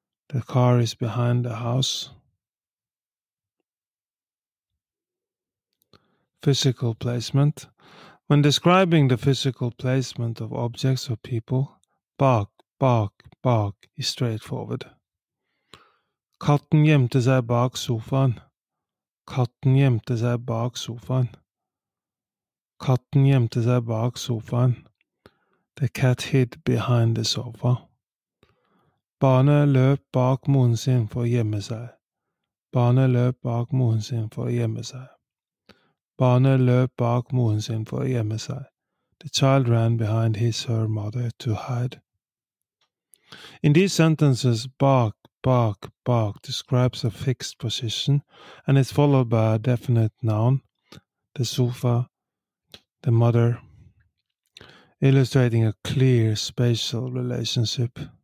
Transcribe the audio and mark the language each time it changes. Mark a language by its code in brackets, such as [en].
[en] The car is behind the house. Physical placement. When describing the physical placement of objects or people, bak, bak, bak is straightforward. [no] Katten gjemte seg bak sofaen. Katten gjemte seg bak sofaen. Katten gjemte seg bak sofaen. [en] The cat hid behind the sofa. [no] Barnet løp bak moren sin for å gjemme seg. Barnet løp bak moren sin for å gjemme seg. Barnet løp bak moren sin for å gjemme seg. [en] The child ran behind his/her mother to hide. In these sentences, bak, bak, bak describes a fixed position and is followed by a definite noun, the sofa, the mother, illustrating a clear spatial relationship.